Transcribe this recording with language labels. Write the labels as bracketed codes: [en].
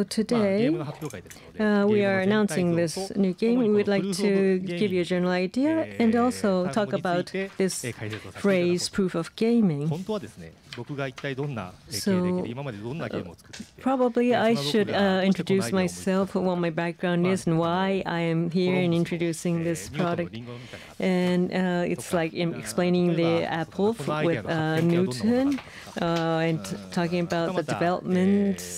[en] so today, we are announcing this new game. We would like to give you a general idea and also talk about this phrase proof of gaming. [ja] 本当はですね、僕が一体どんな経歴で今までどんなゲームを作ってきて、 [en] probably I should introduce myself, what my background is, and why I am here in introducing this product. And it's like explaining the apple with Newton and talking about the development.